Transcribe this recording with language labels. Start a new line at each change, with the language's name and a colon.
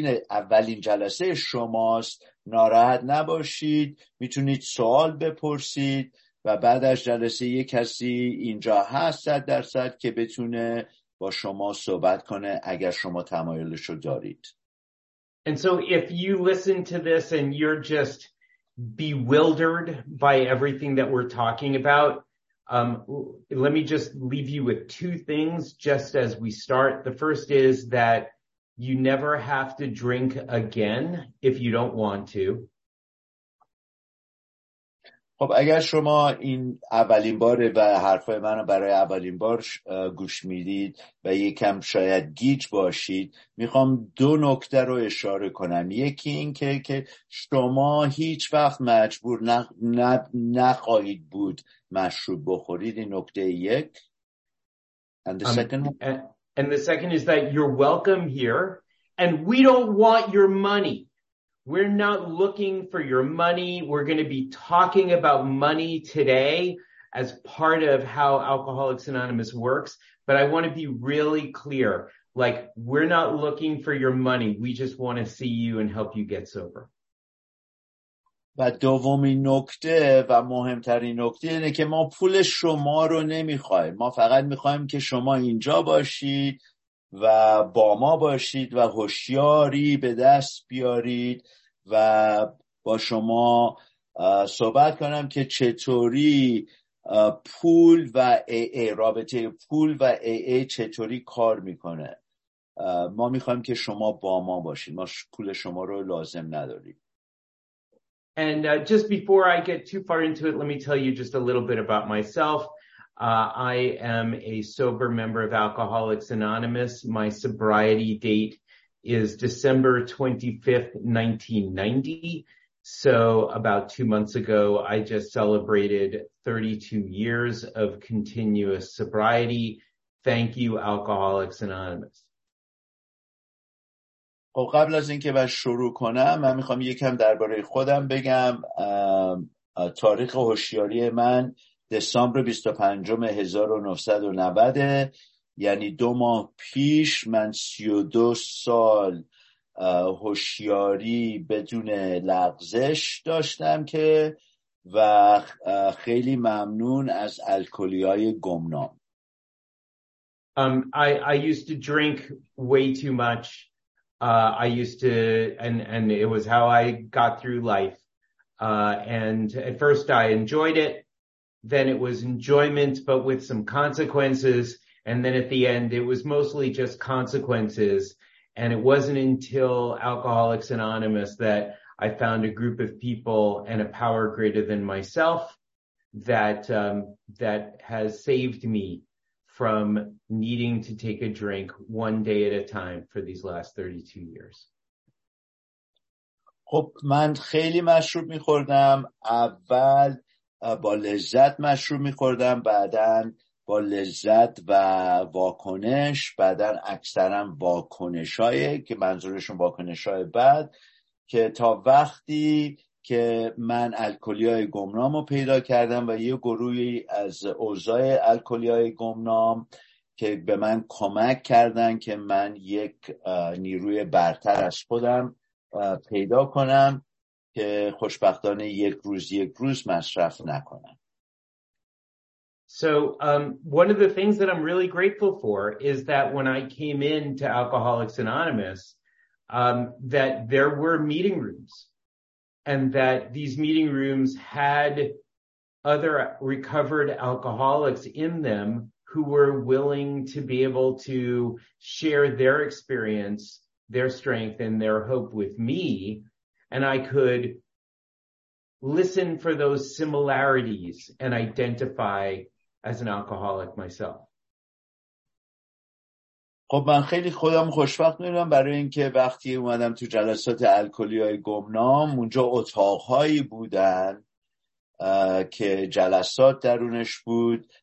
Persian: اولین جلسه شماست ناراحت نباشید، میتونید سوال بپرسید و بعد از جلسه یک کسی اینجا هست 100% که بتونه با شما صحبت کنه اگر شما تمایلشو دارید.
English: And so if you listen to this and you're just bewildered by everything that we're talking about, let me just leave you with two things just as we start. The first is that you never have to drink again if you don't want to.
Persian: خب اگر شما این اولین بار و حرفای منو برای اولین بار گوش میدید و یکم شاید گیج باشید، میخوام دو نکته رو اشاره کنم. یکی این که شما هیچ وقت مجبور نخواهید بود مشروب بخورید، این نکته یک.
English: And the second is that you're welcome here and we don't want your money. We're not looking for your money. We're going to be talking about money today as part of how Alcoholics Anonymous works. But I want to be really clear. Like, we're not looking for your money. We just want to see you and help you get sober.
Persian: و دومین نکته و مهمترین نکته اینه که ما پول شما رو نمیخوایم. ما فقط میخوایم که شما اینجا باشید و با ما باشید و هوشیاری به دست بیارید و با شما صحبت کنم که چطوری پول و AA، رابطه پول و AA چطوری کار میکنه. ما میخوایم که شما با ما باشید، ما پول شما رو لازم نداریم.
English: And just before I get too far into it, let me tell you just a little bit about myself. I am a sober member of Alcoholics Anonymous. My sobriety date is December 25th, 1990. So about 2 months ago, I just celebrated 32 years of continuous sobriety. Thank you, Alcoholics Anonymous.
Persian: خب قبل از اینکه بس شروع کنم، من میخوام یکم درباره خودم بگم. تاریخ هوشیاری من
English: December 25, 1990،
Persian: یعنی 2 ماه پیش. من 32 سال هوشیاری بدون لغزش داشتم که و خیلی ممنون از الکلیای گمنام.
English: I used to drink way too much. I used to and it was how I got through life. And at first I enjoyed it. Then it was enjoyment, but with some consequences. And then at the end, it was mostly just consequences. And it wasn't until Alcoholics Anonymous that I found a group of people and a power greater than myself that that has saved me from needing to take a drink one day at a time for these last 32 years.
Persian: خب من خیلی مشروب می‌خوردم. اول با لذت مشروب می‌خوردم، بعداً با لذت و واکنش، بعداً اکثراً واکنش‌های که منظورشون واکنش‌های بعد، که تا وقتی که من الکلی‌های گمنام رو پیدا کردم و یه گروهی از اعضاء الکلی‌های گمنام که به من کمک کردن که من یک نیروی برتر از خودم پیدا کنم که خوشبختانه یک روز مصرف نکنم.
English: So one of the things that I'm really grateful for is that when I came in to Alcoholics Anonymous, that there were meeting rooms and that these meeting rooms had other recovered alcoholics in them who were willing to be able to share their experience, their strength and their hope with me, and I could listen for those similarities and identify as an alcoholic myself.
Persian: خب من خیلی خودم خوشبخت میدونم برای اینکه وقتی اومدم تو جلسات الکلی‌های گمنام، اونجا اتاق‌هایی بودن که جلسات درونش بود